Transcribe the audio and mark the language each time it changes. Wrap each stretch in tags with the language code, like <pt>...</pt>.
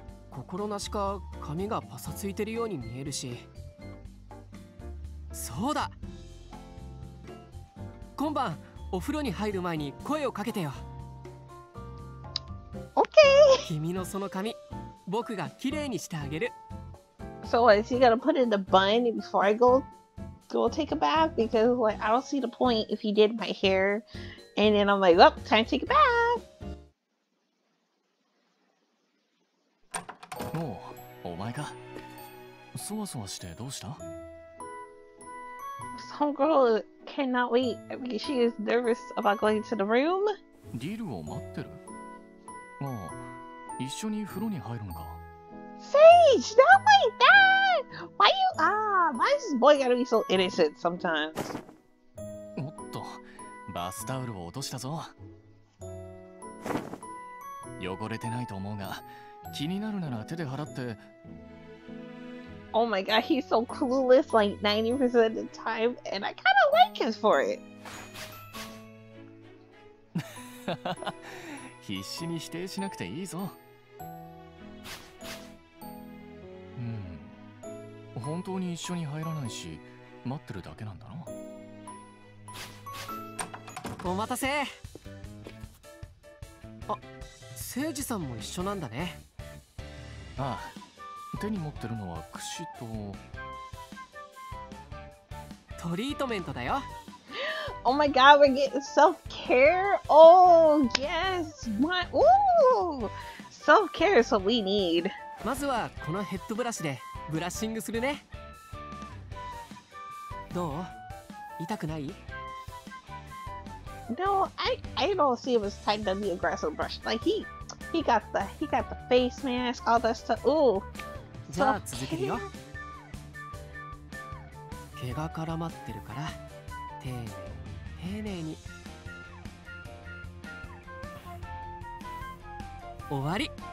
<ja>心なしか髪がパサついてるように見えるし。そうだ、今晩お風呂に入る前に声をかけてよ。君のその髪、僕が綺麗にしてあげる。</ja> <en>So what, is he gonna put in the bun before I go take a bath? Because like, I don't see the point if he did my hair and then I'm like, well, time to take a bath!</en> <ja>おう、お前か。そわそわしてどうした？</ja> <en>Some girl cannot wait. I mean, she is nervous about going to the room.</en> <ja>ディルを待ってる？まあ一緒に風呂に入るのか。</ja> <en>Sage, not like that! Why is this boy gotta be so innocent sometimes?</en> <ja>おっと、バスタオルを落としたぞ。汚れてないと思うが、気になるなら手で払って。</ja> <en>Oh my god, he's so clueless like 90% of the time, and I kinda like him for it!</en> <ja>必死に否定しなくていいぞ。本当に一緒に入らないし、待ってるだけなんだな。お待たせ。あ、聖司さんも一緒なんだね。ああ、手に持ってるのは櫛とトリートメントだよ。</ja> <en>Oh my god, we're getting self-care? Oh, yes! My, self-care is what we need.</en> <ja>まずはこのヘッドブラシでブラッシングするね。どう？痛くない？</ja> <en>No, I don't see it was time to be aggressive, brush. Like he got the face mask, all that stuff. Ooh.</en> <ja>じゃあ続けるよ。毛が絡まってるから丁寧丁寧に。終わり。</ja>